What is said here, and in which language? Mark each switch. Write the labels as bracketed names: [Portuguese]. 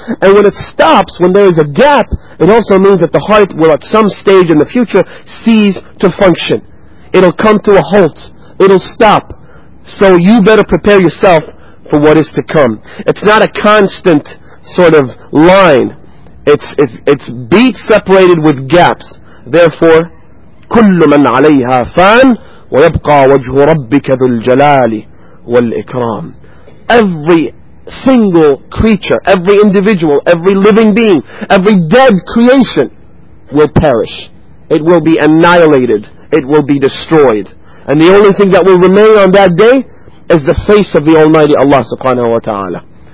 [English] And when it stops, when there is a gap, it also means that the heart will at some stage in the future cease to function. It'll come to a halt. It'll stop. So you better prepare yourself for what is to come. It's not a constant sort of line. It's beats separated with gaps. Therefore, [Arabic] كل من عليها فان ويبقى وجه ربك ذو الجلال والإكرام. [English] Every single creature, every individual, every living being, every dead creation will perish. It will be annihilated. It will be destroyed. And the only thing that will remain on that day is the face of the Almighty Allah subhanahu wa ta'ala.